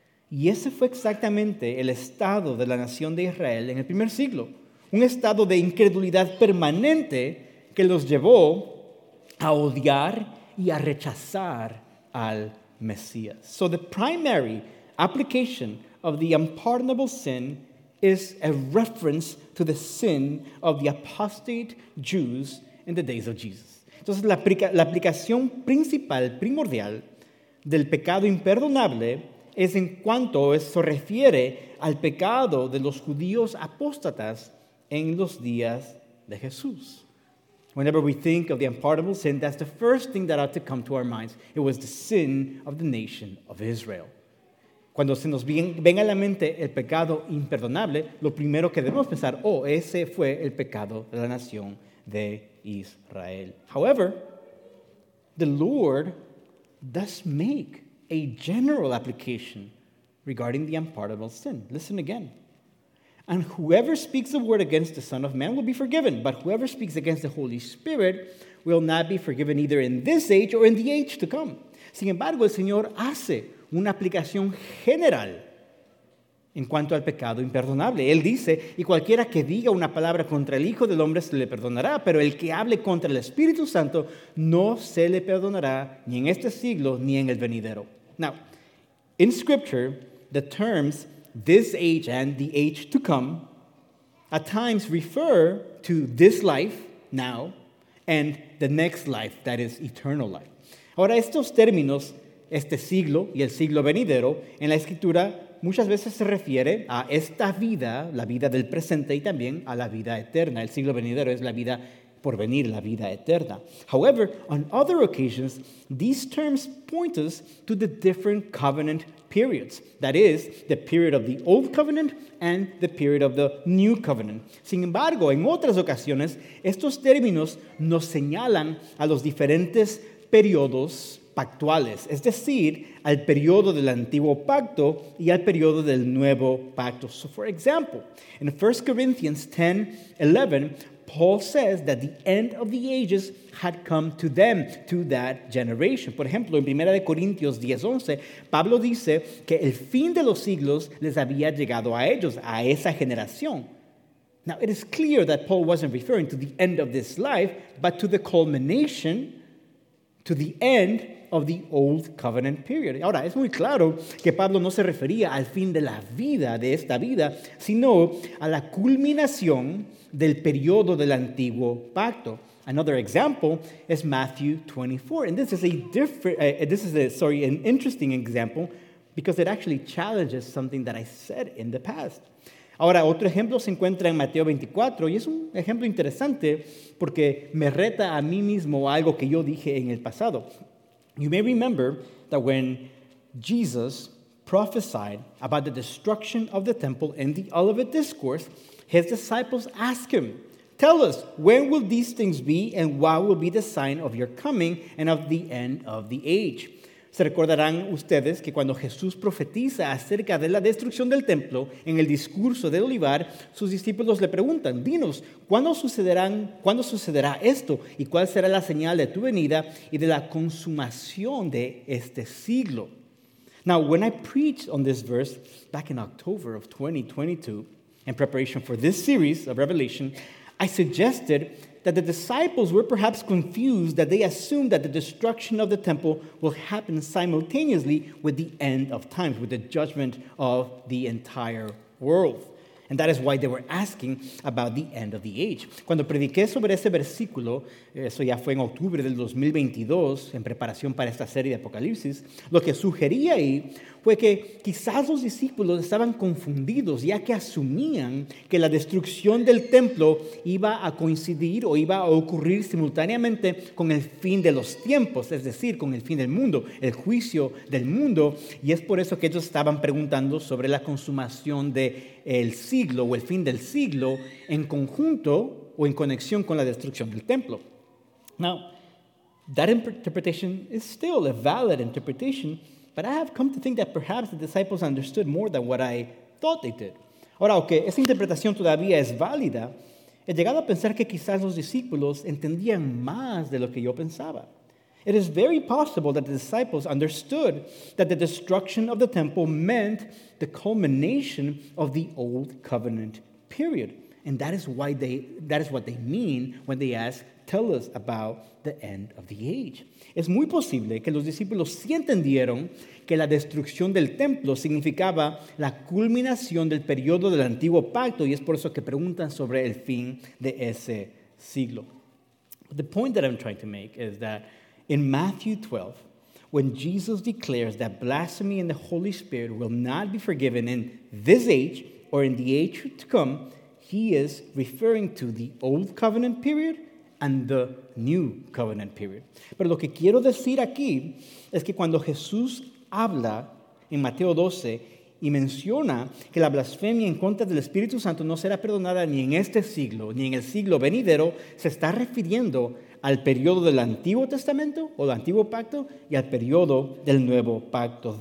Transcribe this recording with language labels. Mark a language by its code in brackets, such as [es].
[es] Y ese fue exactamente el estado de la nación de Israel en el primer siglo. Un estado de incredulidad permanente que los llevó a odiar y a rechazar al Mesías. [en] So the primary application of the unpardonable sin is a reference to the sin of the apostate Jews in the days of Jesus. [es] Entonces, la aplicación principal, primordial, del pecado imperdonable es en cuanto se refiere al pecado de los judíos apóstatas en los días de Jesús. [en] Whenever we think of the unpardonable sin, that's the first thing that ought to come to our minds. It was the sin of the nation of Israel. [es] Cuando se nos venga a la mente el pecado imperdonable, lo primero que debemos pensar, oh, ese fue el pecado de la nación de Israel. [en] However, the Lord does make a general application regarding the unpardonable sin. Listen again. And whoever speaks a word against the Son of Man will be forgiven, but whoever speaks against the Holy Spirit will not be forgiven either in this age or in the age to come. [es] Sin embargo, el Señor hace una aplicación general en cuanto al pecado imperdonable. Él dice, y cualquiera que diga una palabra contra el Hijo del Hombre se le perdonará, pero el que hable contra el Espíritu Santo no se le perdonará ni en este siglo ni en el venidero. [en] Now, in Scripture, the terms this age and the age to come at times refer to this life, now, and the next life, that is eternal life. [es] Ahora, estos términos, este siglo y el siglo venidero, en la Escritura muchas veces se refiere a esta vida, la vida del presente, y también a la vida eterna. El siglo venidero es la vida por venir, la vida eterna. [en] However, on other occasions, these terms point us to the different covenant periods. That is, the period of the Old Covenant and the period of the New Covenant. [es] Sin embargo, en otras ocasiones, estos términos nos señalan a los diferentes periodos pactuales, es decir, al periodo del antiguo pacto y al periodo del nuevo pacto. [en] So for example, in 1 Corinthians 10:11, Paul says that the end of the ages had come to them, to that generation. [es] Por ejemplo, en 1 Corintios 10:11, Pablo dice que el fin de los siglos les había llegado a ellos, a esa generación. [en] Now, it is clear that Paul wasn't referring to the end of this life, but to the culmination, to the end of the Old Covenant period. [es] Ahora, es muy claro que Pablo no se refería al fin de la vida, de esta vida, sino a la culminación del periodo del antiguo pacto. [en] Another example is Matthew 24. And this is an interesting example because it actually challenges something that I said in the past. [es] Ahora, otro ejemplo se encuentra en Mateo 24 y es un ejemplo interesante porque me reta a mí mismo algo que yo dije en el pasado. [en] You may remember that when Jesus prophesied about the destruction of the temple in the Olivet Discourse, his disciples asked him, Tell us, when will these things be, and what will be the sign of your coming and of the end of the age? [es] Se recordarán ustedes que cuando Jesús profetiza acerca de la destrucción del templo en el discurso del Olivar, sus discípulos le preguntan, dinos, ¿cuándo sucederá esto? ¿Y cuál será la señal de tu venida y de la consumación de este siglo? [en] Now, when I preached on this verse back in October of 2022, in preparation for this series of Revelation, I suggested that the disciples were perhaps confused that they assumed that the destruction of the temple will happen simultaneously with the end of times, with the judgment of the entire world. And that is why they were asking about the end of the age. [es] Cuando prediqué sobre ese versículo, eso ya fue en octubre del 2022, en preparación para esta serie de Apocalipsis, lo que sugerí ahí fue que quizás los discípulos estaban confundidos, ya que asumían que la destrucción del templo iba a coincidir o iba a ocurrir simultáneamente con el fin de los tiempos, es decir, con el fin del mundo, el juicio del mundo. Y es por eso que ellos estaban preguntando sobre la consumación del siglo o el fin del siglo en conjunto o en conexión con la destrucción del templo. [en] Now, that interpretation is still a valid interpretation, but I have come to think that perhaps the disciples understood more than what I thought they did. [es] Ahora, aunque esa interpretación todavía es válida, he llegado a pensar que quizás los discípulos entendían más de lo que yo pensaba. [en] It is very possible that the disciples understood that the destruction of the temple meant the culmination of the old covenant period. And that is what they mean when they ask, tell us about the end of the age. [es] Es muy posible que los discípulos sí entendieron que la destrucción del templo significaba la culminación del periodo del antiguo pacto, y es por eso que preguntan sobre el fin de ese siglo. [en] The point that I'm trying to make is that in Matthew 12, when Jesus declares that blasphemy in the Holy Spirit will not be forgiven in this age or in the age to come, he is referring to the old covenant period and the new covenant period. [es] Pero lo que quiero decir aquí es que cuando Jesús habla en Mateo 12 y menciona que la blasfemia en contra del Espíritu Santo no será perdonada ni en este siglo ni en el siglo venidero, se está refiriendo al periodo del Antiguo Testamento o del Antiguo Pacto y al periodo del Nuevo Pacto.